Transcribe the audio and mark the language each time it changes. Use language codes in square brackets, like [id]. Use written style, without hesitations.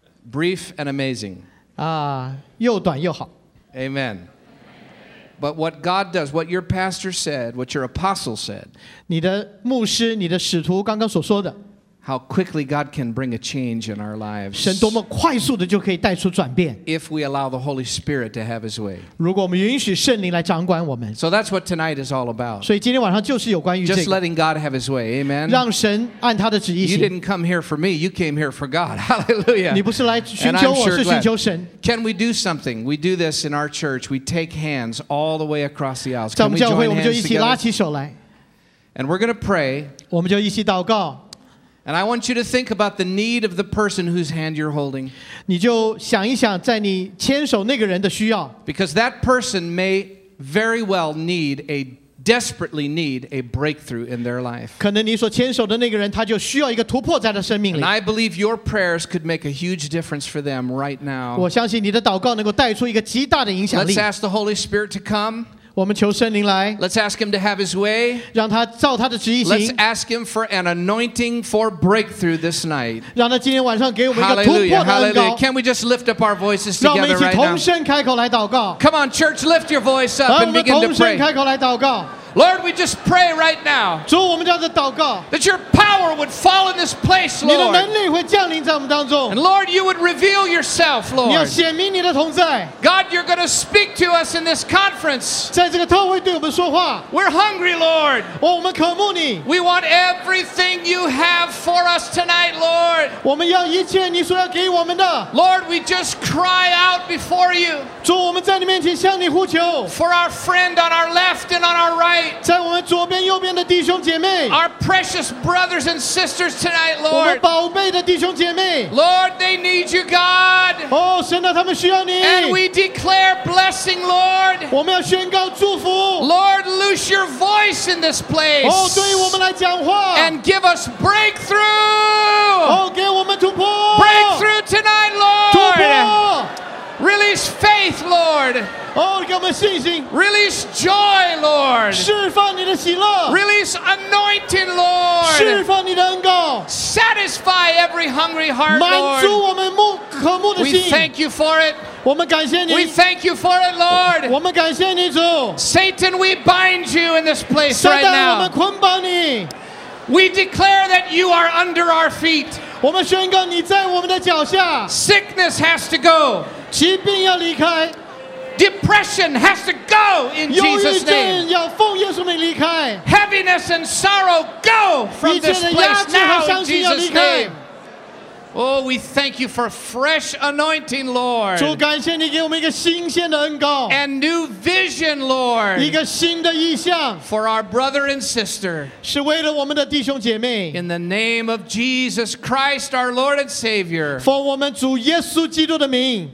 [en] Brief and amazing. [zh] 又短又好。 [en] Amen. But what God does, what your pastor said, what your apostle said, [zh] 你的牧师、你的使徒刚刚所说的， [en] how quickly God can bring a change in our lives. [zh] 神多么快速的就可以带出转变。 [en] If we allow the Holy Spirit to have His way. [zh] 如果我们允许圣灵来掌管我们。 [en] So that's what tonight is all about. [zh] 所以今天晚上就是有关于这个。 [en] Just letting God have His way, amen. [zh] 让神按他的旨意行。 [en] You didn't come here for me, you came here for God. Hallelujah. [zh] 你不是来寻求我，是寻求神。 [en] Can we do something? We do this in our church. We take hands all the way across the aisles. [zh] 在我们教会，我们就一起拉起手来。 [en] And we're going to pray. [zh] 我们就一起祷告。 [en] And I want you to think about the need of the person whose hand you're holding. [zh] 你就想一想在你牵手那个人的需要。 [en] Because that person may very well need a desperately need a breakthrough in their life. [zh] 可能你所牵手的那个人他就需要一个突破在他生命里。 [en] And I believe your prayers could make a huge difference for them right now. [zh] 我相信你的祷告能够带出一个极大的影响力。 [en] Let's ask the Holy Spirit to come. [zh] 我们求圣灵来 [en] Let's ask him to have his way. [zh] 让他照他的旨意行 [en] Let's ask him for an anointing for breakthrough this night. [zh] 让他今天晚上给我们一个突破的恩膏 [en] Hallelujah, hallelujah. Can we just lift up our voices together right now? [zh] 让我们一起同声开口来祷告 [en] Come on, church, lift your voice up and begin to pray. [zh] 同声开口来祷告 [en] Lord, we just pray right now. [zh] 主，我们这样子祷告 [en] That your power would fall in this place, Lord. [zh] 你的能力会降临在我们当中 [en] And Lord, you would reveal yourself, Lord. [zh] 你要显明你的同在 [en] God, you're going to speak to us in this conference. [zh] 在这个特会对我们说话 [en] We're hungry, Lord. [zh] 我们渴慕你 [en] We want everything you have for us tonight, Lord. [zh] 我们要一切你所要给我们的 [en] Lord, we just cry out before you. [zh] 主，我们在你面前向你呼求 [en] For our friend on our left and on our right. [zh] 在我们左边右边的弟兄姐妹 [en] Our precious brothers and sisters tonight, Lord [zh] 我们宝贝的弟兄姐妹 [en] Lord, they need you, God [zh] 哦，神啊，他们需要你 [en] And we declare blessing, Lord [zh] 我们要宣告祝福 [en] Lord, loose your voice in this place [zh] 哦，对我们来讲话 [en] And give us breakthrough [zh] 哦，给我们突破 [en] Breakthrough tonight, Lord [zh] 突破 [en] Release faith, Lord Oh, give me [zh] 信心 [en] Release joy, Lord. [zh] 释放你的喜乐 [en] Release anointing, Lord. [zh] 释放你的恩膏 [en] Satisfy every hungry heart, Lord. [zh] 满足我们渴慕的心 [en] We thank you for it. [zh] 我们感谢你 [en] We thank you for it, Lord. [zh] 我们感谢你主 [en] Satan, we bind you in this place right now. [zh] 撒旦，我们捆绑你 [en] We declare that you are under our feet. [zh] 我们宣告你在我们的脚下 [en] Sickness has to go. [zh] 疾病要离开 [en] Depression has to go in Jesus' name. [zh] 忧郁症要奉耶稣名离开。 [en] Heaviness and sorrow go from this place now in Jesus' name. Oh, we thank you for fresh anointing, Lord. [zh] 主，感谢你给我们一个新鲜的恩膏。 [en] And new vision, Lord. [zh] 一个新的意象。 [en] For our brother and sister. [zh] 是为了我们的弟兄姐妹。 [en] In the name of Jesus Christ, our Lord and Savior. [zh] 奉我们主耶稣基督的名。